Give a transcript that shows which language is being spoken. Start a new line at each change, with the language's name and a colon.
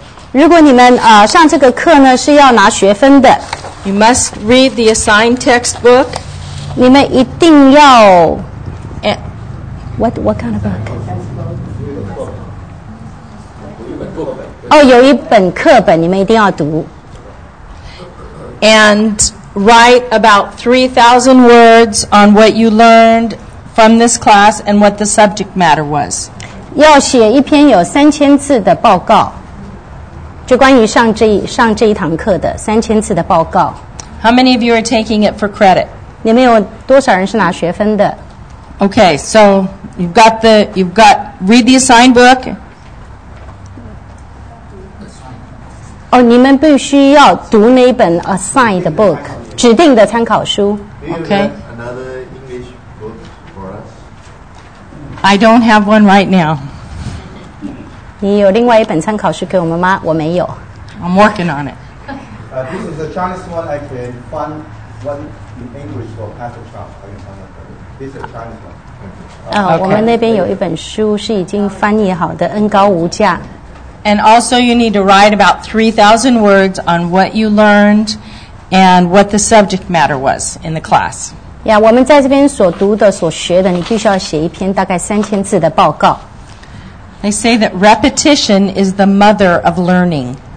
Chinese: 如果你们上这个课呢是要拿学分的
English: You must read the assigned textbook.
Chinese: 你们一定要
English: What kind of book?
Chinese: 有一本课本你们一定要读
English: And write about 3,000 words on what you learned from this class and what the subject matter was.
Chinese: 要写一篇有3000字的报告就关于上这一堂课的3000字的报告。
English: How many of you are taking it for credit?
Chinese: 你们有多少人是拿学分的
English: Okay, so you've got read the assigned book.
Chinese: 你们必须要读那一本
English: assigned book,
Chinese: 指定的参考书。
English: Okay. Another English book for us? I don't have one right now.
Chinese: 你有另外一本参考书给我们吗？我没有。
English: I'm working on it. This is a Chinese one. I can find one in English for Pastor Charles. This is a Chinese one.
Chinese: Okay. 我们那边有一本书是已经翻译好的，恩高无价。
English: And also, you need to write about 3,000 words on what you learned and what the subject matter was in the class.
Chinese: Yeah, 我们在这边所读的、所学的，你必须要写一篇大概3000字的报告。
English: They say that repetition is the mother of learning.